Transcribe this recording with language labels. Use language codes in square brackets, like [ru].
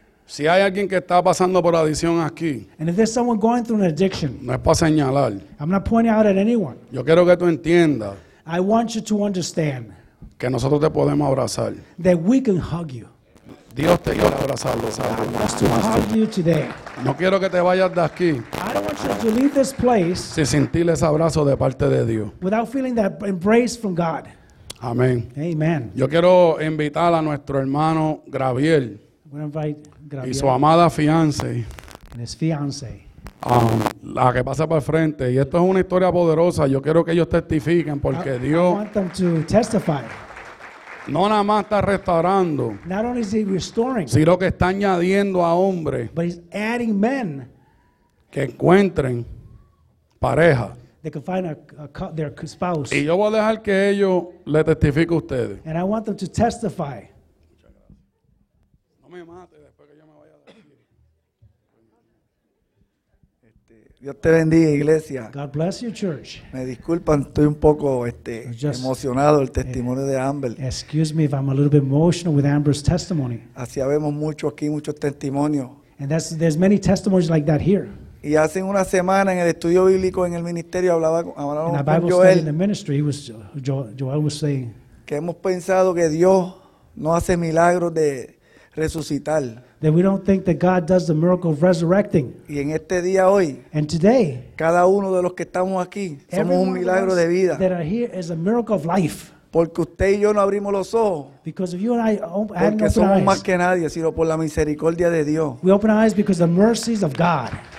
[es] Si hay alguien que está pasando por adicción aquí, [en] and if there's someone going through an addiction, [es] no es para señalar. [en] I'm not pointing out at anyone. [es] Yo quiero que tú entiendas. [en] I want you to understand. [es] Que nosotros te podemos abrazar. [en] That we can hug you. [es] Dios te quiere abrazar, lo sabes. [en] God wants to hug you today. [es] No quiero que te vayas de aquí. [en] I don't want you to leave this place. [es] Sin sentir ese abrazo de parte de Dios. [en] Without feeling that embrace from God. [es] Amén. [en] Amen. [es] Yo quiero invitar a nuestro hermano Graviel. [en] I'm going to invite Graviel. [es] Y su amada fiance. [en] And his fiance. [es] La que pasa por el frente. Y esto es una historia poderosa. Yo quiero que ellos testifiquen porque Dios. [en] I want them to testify. [es] No nada más está restaurando. [en] Not only is he restoring. [es] Sino que está añadiendo a hombres. [en] But he's adding men. [es] Que encuentren pareja. [en] They can find their spouse. [es] Y yo voy a dejar que ellos le testifiquen a ustedes. [en] And I want them to testify. [es] No me mate después que yo me vaya a decir. Dios te bendiga, iglesia. [en] God bless you, church. [es] Me disculpan, estoy un poco emocionado el testimonio de Amber. [en] Excuse me if I'm a little bit emotional with Amber's testimony. [es] Así vemos mucho aquí, muchos testimonios. [en] And there's many testimonies like that here. [es] Y hace una semana en el estudio bíblico en el ministerio hablaba con Joel. [en] In a Bible study in the ministry, Joel was saying. [es] Que hemos pensado que Dios no hace milagros de resucitar. [en] That we don't think that God does the miracle of resurrecting. [es] Y en este día hoy, [en] and today, [es] cada uno de los que estamos aquí somos un milagro de vida. [en] That are here is a miracle of life. [es] Porque usted y yo no abrimos los ojos. [en] Because of you and I open eyes. [es] Porque somos más que nadie, sino por la misericordia de Dios. [en] We open our eyes because of the mercies of God.